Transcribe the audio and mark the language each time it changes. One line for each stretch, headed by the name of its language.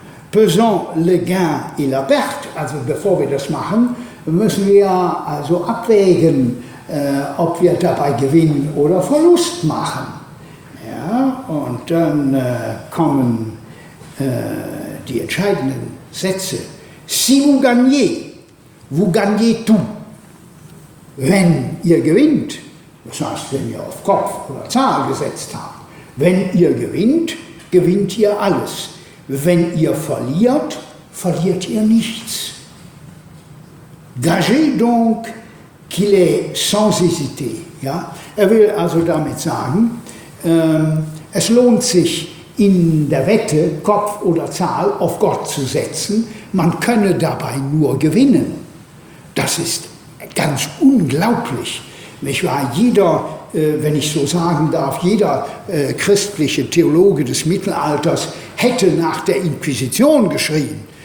French: Pesant le gain et la perte,
German: also bevor wir das machen, müssen wir also abwägen, ob wir dabei Gewinn oder Verlust machen. Ja, und dann kommen die entscheidenden Sätze.
French: Si vous gagnez, vous gagnez tout.
German: Wenn ihr gewinnt, das heißt, wenn ihr auf Kopf oder Zahl gesetzt habt, wenn ihr gewinnt, gewinnt ihr alles. Wenn ihr verliert, verliert ihr nichts.
French: Gagez donc qu'il est sans hésiter.
German: Ja? Er will also damit sagen, es lohnt sich in der Wette, Kopf oder Zahl, auf Gott zu setzen. Man könne dabei nur gewinnen. Das ist ganz unglaublich. Ich war jeder, wenn ich so sagen darf, jeder christliche Theologe des Mittelalters hätte nach der Inquisition geschrien.